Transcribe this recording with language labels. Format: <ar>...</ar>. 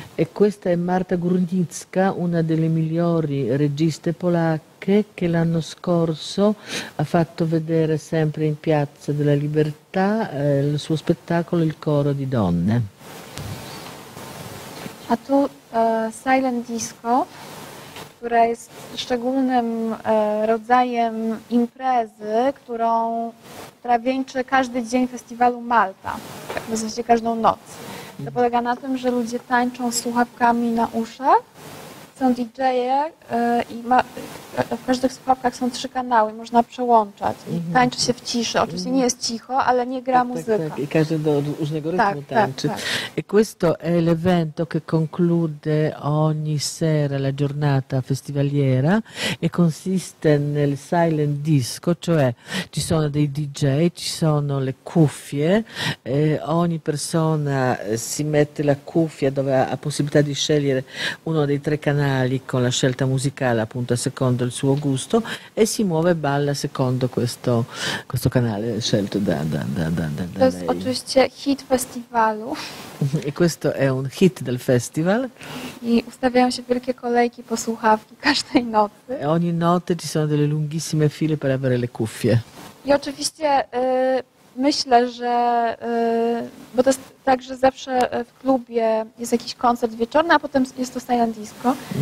<it>E questa è Marta Górnicka, una delle migliori registe polacche che l'anno scorso ha fatto vedere sempre in Piazza della Libertà il suo spettacolo Il coro di donne.</it> <pl>A tu Silent Disco, która jest szczególnym rodzajem imprezy, która wieńczy każdy dzień festiwalu Malta, w zasadzie każdą noc. To polega na tym, że ludzie tańczą słuchawkami na uszach, są DJ-e i w każdych słuchawkach są trzy kanały, można przełączać i tańczy się w ciszy. Oczywiście nie jest cicho, ale nie gra muzyka. Tak. I każdy do różnego rytmu tańczy.</pl> <it>E questo è l'evento che conclude ogni sera la giornata festivaliera e consiste nel silent disco, cioè ci sono dei DJ, ci sono le cuffie, e ogni persona si mette la cuffia dove ha possibilità di scegliere uno dei tre canali con la scelta musicale appunto a secondo il suo gusto e si muove e balla secondo questo canale scelto da lei.</it> <pl>Oczywiście hit festivalu.</pl> <it>E questo è un hit del festival.</it> <pl>I ustawiają się wielkie kolejki po słuchawki każdej nocy.</pl> <it>E ogni notte ci sono delle lunghissime file per avere le cuffie.</it> <pl>I oczywiście myślę, że bo to jest Także zawsze w klubie jest jakiś koncert wieczorny, a potem jest to silent disco.</pl>